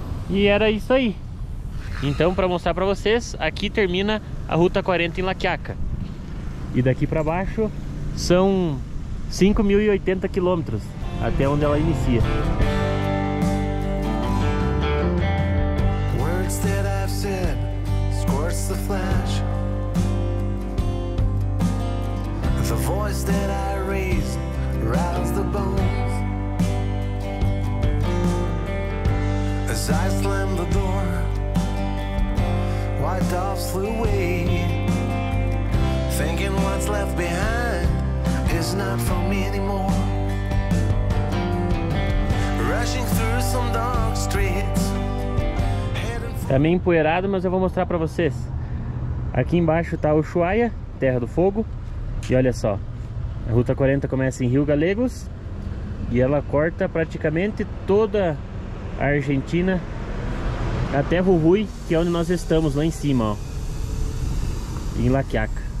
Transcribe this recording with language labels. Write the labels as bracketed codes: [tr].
[pt] E era isso aí. Então, para mostrar para vocês, aqui termina a Ruta 40 em La Quiaca. E daqui para baixo são 5.080 quilômetros, até onde ela inicia. [en] Words that I've said, scorch the flash. The voice that I raise. Rattles the bones as I slammed the door. White doves flew away, thinking what's left behind is not for me anymore. Rushing through some dark streets, heading for [pt] Tá meio empoeirado, mas eu vou mostrar pra vocês. Aqui embaixo tá o Ushuaia, Terra do Fogo. E olha só, a Ruta 40 começa em Rio Galegos e ela corta praticamente toda a Argentina até Jujuy, que é onde nós estamos, lá em cima, ó, em La Quiaca.